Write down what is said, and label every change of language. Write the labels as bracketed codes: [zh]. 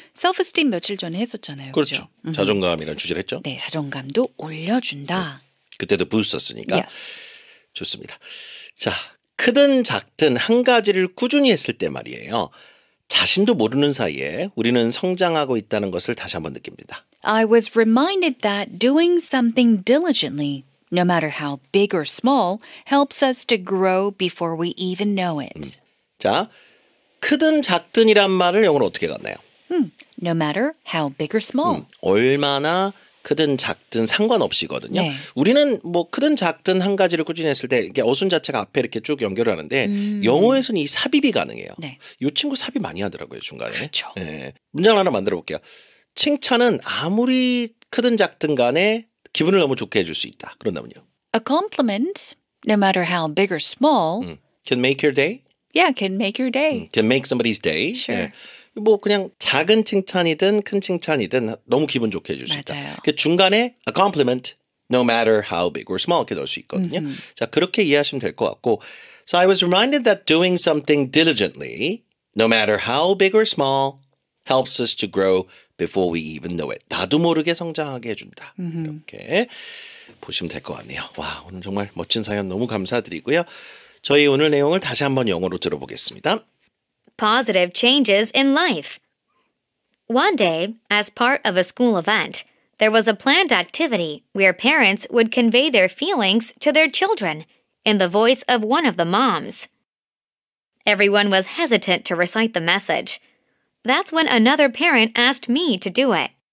[ko] Self-esteem 며칠 전에 했었잖아요. 그렇죠. 그렇죠? 자존감이라는 주제를 했죠. 네, 자존감도 올려준다. 그때도 부었었으니까 [en] yes. [ko] 좋습니다. 자, 크든 작든 한 가지를 꾸준히 했을 때 말이에요. 자신도 모르는 사이에 우리는 성장하고 있다는 것을 다시 한번 느낍니다. [en] I was reminded that doing something diligently, no matter how big or small, helps us to grow before we even know it. [ko] 자, 크든 작든이란 말을 영어로 어떻게 갔나요? [en] No matter how big or small. [ko] 얼마나 크든 작든 상관없이거든요. 네. 우리는 뭐 크든 작든 한 가지를 꾸준히 했을 때 이게 어순 자체가 앞에 이렇게 쭉 연결을 하는데 영어에서는 이 삽입이 가능해요. 네. 요 친구 삽입 많이 하더라고요, 중간에. 그렇죠. 네. 문장 하나 만들어 볼게요. 칭찬은 아무리 크든 작든 간에 기분을 너무 좋게 해줄 수 있다. 그런다면요. [en] A compliment, no matter how big or small, can make your day. Yeah, can make your day. Can make somebody's day. Sure. 네. [ko] 뭐 그냥 작은 칭찬이든 큰 칭찬이든 너무 기분 좋게 해줄 수 있다. 그 중간에 [en] a compliment, no matter how big or small [ko] 이렇게 넣을 수 있거든요. 자, 그렇게 이해하시면 될 것 같고 [en] So I was reminded that doing something diligently, no matter how big or small, helps us to grow before we even know it. [ko] 나도 모르게 성장하게 해준다. 이렇게 보시면 될 것 같네요. 와, 오늘 정말 멋진 사연 너무 감사드리고요. 저희 오늘 내용을 다시 한번 영어로 들어보겠습니다. [en] Positive changes in life. One day, as part of a school event, there was a planned activity where parents would convey their feelings to their children in the voice of one of the moms. Everyone was hesitant to recite the message. That's when another parent asked me to do it.